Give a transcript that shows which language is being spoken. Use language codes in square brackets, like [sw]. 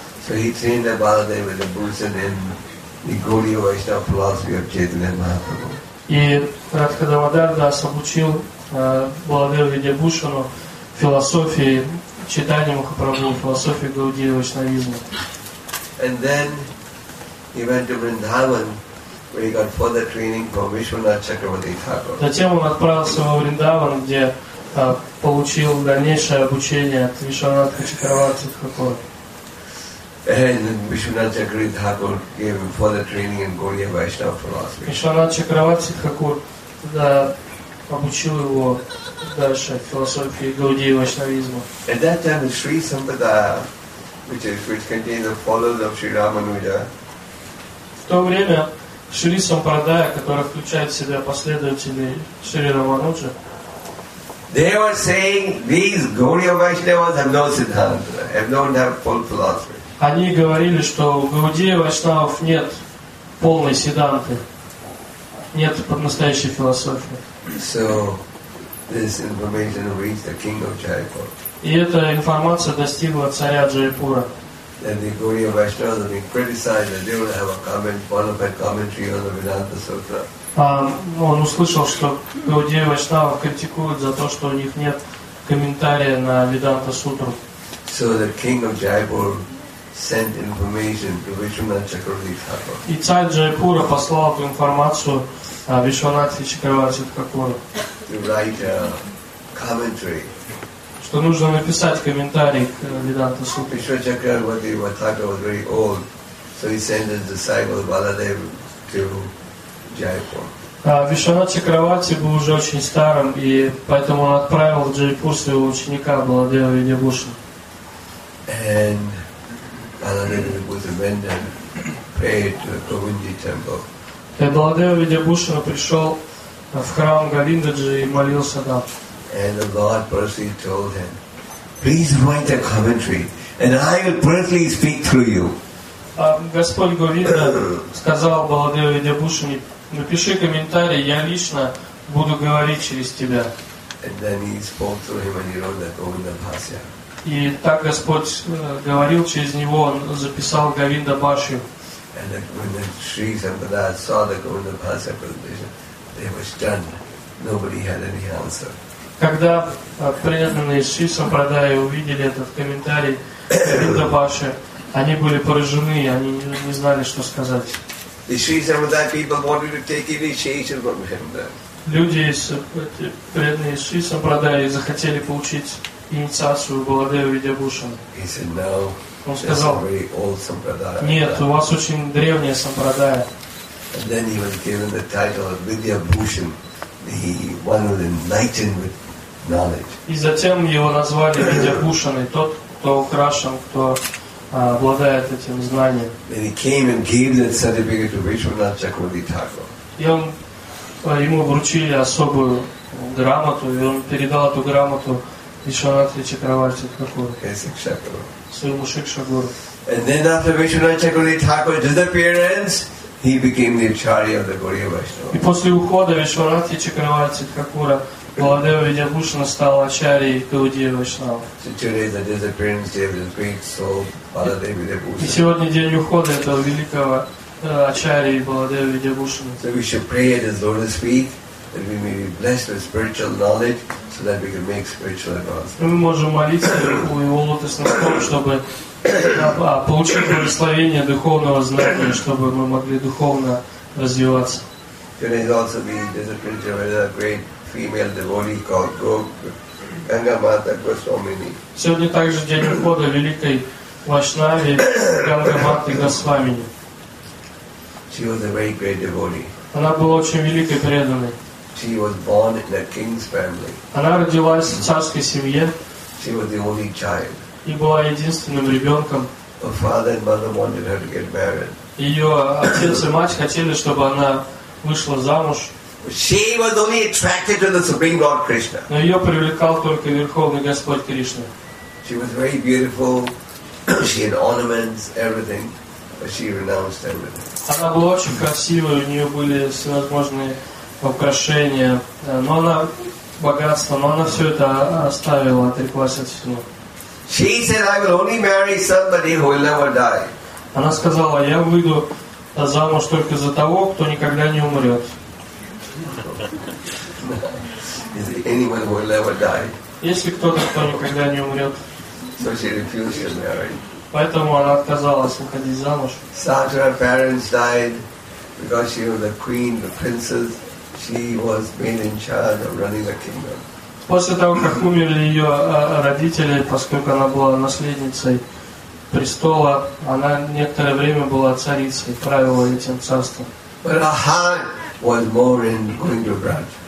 [en] So he trained the Baladeva Vidyabhushan in the Gaudiya Vaishnava philosophy of Chaitanya Mahaprabhu. [ru] И Радха Дамодар Дас обучил Баладеву Видьябушану философии Чайтанья Махапрабху, философии Гаудия Вайшнавизма. [en] And then he went to Vrindavan, where he got further training from Vishwanath Chakravarti Thakur. [ru] Затем он отправился во Вриндаван, где получил дальнейшее обучение от Вишванатха Чакраварти Thakur. [en] And Vishwanath Chakravarti Thakur gave him further training in Gaudiya Vaishnava philosophy. [ru] Вишванатха Чакраварти Thakur обучил его дальше философии Гаудии Вайшнавизма. [en] At that time, Sri Sampradaya, which contains the followers of Sri Ramanuja. [ru] В то время Шри Сампрадая, который включает в себя последователей Шри Рамануджа, [en] they were saying these Gaudiya Vaishnavas have no siddhanta, have not have full philosophy. [ru] Они говорили, что у Гаудия Вайшнавов нет полной сиддханты, нет настоящей философии. [en] So this information reached the king of Jaipur. [ru] И эта информация достигла царя Джайпура. [en] And the Gaudiya Vaishnavas have been criticized that they would have a comment, one of their commentary on the Vedanta Sutra. [ru] Он услышал, что Гаудия Вайшнава критикуют за то, что у них нет комментария на Веданта Сутру. [en] So the king of Jaipur sent information to Vishwanath Chakravarti Thakur. [ru] И царь Джайпура послал эту информацию Вишванатхе Чакраварти Такуру. [en] To write a commentary. [ru] Что нужно написать комментарий к Веданта Сутре. [en] Vishwanath Chakravarti Thakur was very old, so he sent his disciple Baladev to Jaipur. [ru] Вишванатхе Чакраварти был уже очень старым, и поэтому он отправил в Джайпур своего ученика Баладева Видьябушана. [en] And Baladev Vidyabhushana prayed to the Govindji temple. And [ru] Baladev Vidyabhushana пришел в храм Говиндаджи и молился там. [en] And the Lord personally told him, "Please write a commentary, and I will personally speak through you." [ru] Господь Говинда сказал Баладеву Видьябхушане, напиши комментарий, я лично буду говорить через тебя. [en] And then he spoke through him, and he wrote the Govinda Bhashya. [ru] И так Господь говорил через него, он записал Говинда Бхашью. [en] And when the Sri Sampradaya saw the Govinda Bhashya presentation, they were stunned. Nobody had any answer. [ru] Когда преданные Sri Sampradaya увидели этот комментарий Говинда Бхашья, они были поражены, они не знали, что сказать. [en] The Sri Sampradaya people wanted to take initiation from him. [ru] Люди из преданные Sri Sampradaya захотели получить инициацию Баладева Видьябушана. [en] He said, no, [ru] он сказал, [en] very old sampradaya. [ru] Нет, у вас очень древняя сампрадая. [en] And then he was given the title of Vidyabhushan, the one who enlightened with knowledge. [ru] И затем его назвали Видьябушаной, тот, кто украшен, кто обладает этим знанием. [en] And he came and gave that certificate to Vishwanath Chakravarti Thakur. [ru] И он, ему вручили особую грамоту, и он передал эту грамоту Вишванатхе Чакраварти Такур, своему Шикшагуру. [en] And then after Vishwanath Chakravarti Thakur's disappearance, he became the acharya of the Gaudiya Vaishnava. [ru] И после ухода Вишванатхе Чакраварти Такура Баладева Видьябхушана стал ачарьей Гаудия Вайшнава. [en] So today the disappearance day of the great soul Баладева Видьябхушана. [ru] И сегодня день ухода этого великого ачарьи Баладева Видьябхушана. [en] So we should pray at his lotus feet, that we may be blessed with spiritual knowledge, so that we can make spiritual advancement. [ru] Мы можем молиться у его лотосных стоп, чтобы получить благословение духовного знания, чтобы мы могли духовно развиваться. [en] Today is also the disappearance of another great female devotee called Ganga Mata Goswamini. [ru] Сегодня также день ухода великой Вайшнави Ганга Маты Госвамини. [en] She was a very great devotee. [ru] Она была очень великой преданной. [en] She was born in a king's family. [ru] Она родилась в царской семье. [en] She was the only child. [ru] И была единственным ребенком. [en] Her father and mother wanted her to get married. [ru] Ее отец и мать хотели, чтобы она вышла замуж. [en] She was only attracted to the Supreme Lord Krishna. [ru] Но ее привлекал только Верховный Господь Кришна. [en] She was very beautiful. She had ornaments, everything, but she renounced everything. [ru] Она была очень красивой. У нее были всевозможные украшения, но она богатство, но она все это оставила, отреклась от всего. [en] She said, "I will only marry somebody who will never die." [ru] Она сказала, я выйду замуж только за того, кто никогда не умрет. [en] Is there anyone who will never die? [ru] Если кто-то, кто никогда не умрет. [en] So she refused to marry. [ru] Поэтому она отказалась выходить замуж. [en] Sadra parents died because she was the queen, the princess. She was being in charge of running the kingdom. [ru] После того, как умерли ее родители, поскольку она была наследницей престола, она некоторое время была царицей, правила этим царством. [en] But her heart was more in going to Braj.